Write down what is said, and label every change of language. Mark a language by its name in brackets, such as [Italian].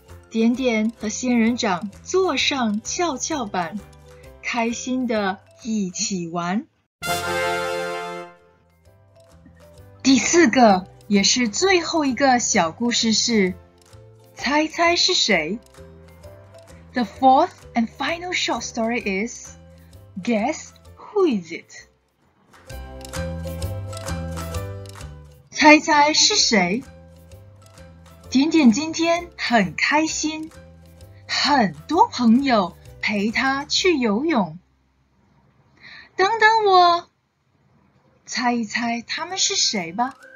[Chinese] 点点和仙人掌坐上跷跷板，开心地一起玩。第四个也是最后一个小故事是，猜猜是谁？ [English] The fourth and final short story is Guess Who Is It? [Chinese] 猜猜是谁？点点今天很开心，很多朋友陪他去游泳。等等我，猜一猜他们是谁吧。